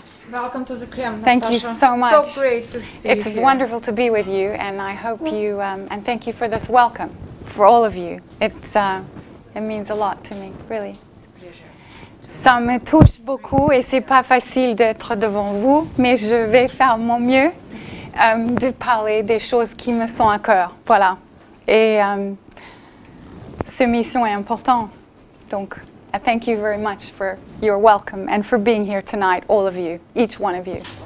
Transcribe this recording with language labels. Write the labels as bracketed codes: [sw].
[en] Welcome to the CREM, Natasha. Thank you so much. So great to see you. It's wonderful to be with you, and I hope you, and thank you for this welcome, for all of you. It's, it means a lot to me, really. It's a pleasure. [fr] Ça me touche beaucoup, et c'est pas facile d'être devant vous, mais je vais faire mon mieux. De parler des choses qui me sont à cœur, voilà. Et cette mission est importante. [en] Donc, I thank you very much for your welcome and for being here tonight, all of you, each one of you.